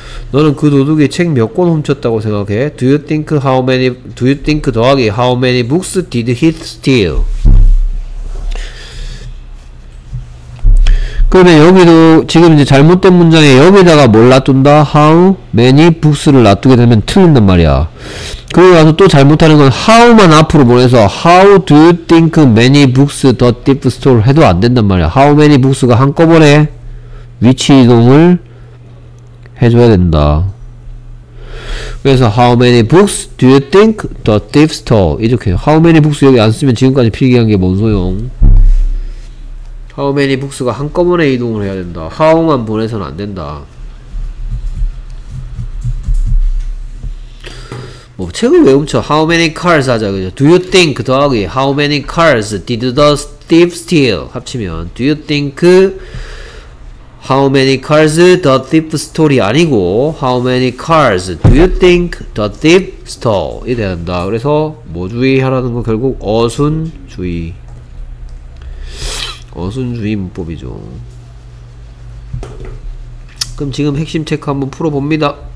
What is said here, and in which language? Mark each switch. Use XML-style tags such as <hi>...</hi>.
<ko>너는 그 도둑이 책 몇 권 훔쳤다고 생각해?</ko> <en>Do you think</en> <ko>더하기</ko> <en>how many books did he steal?</en> <ko>그러면 여기도 지금 이제 잘못된 문장에 여기다가 뭘 놔둔다?</ko> <en>How many books</en> <ko>를 놔두게 되면 틀린단 말이야. 그리고 나서 또 잘못하는 건 how만 앞으로 보내서</ko> <en>how do you think many books the thief stole</en> <ko>해도 안 된단 말이야.</ko> <en>How many books</en> <ko>가 한꺼번에 위치 이동을 해줘야 된다. 그래서</ko> <en>how many books do you think the thief stole</en> <ko>이렇게</ko> <en>how many books</en> <ko>여기 안 쓰면 지금까지 필기한 게 뭔 소용.</ko> <en>How many books</en> <ko>가 한꺼번에 이동을 해야 된다. How만 보내서는 안 된다. 뭐 책을 왜 훔쳐?</ko> <en>How many cars</en> <ko>하자 그죠?</ko> <en>Do you think</en> <ko>더하기</ko> <en>How many cars did the thief steal</en> <ko>합치면</ko> <en>Do you think How many cars the thief stole</en> <ko>아니고</ko> <en>How many cars do you think the thief stole</en> <ko>이 돼야 된다. 그래서 뭐 주의하라는 건 결국 어순주의 어순주의 문법이죠. 그럼 지금 핵심 체크 한번 풀어봅니다.</ko>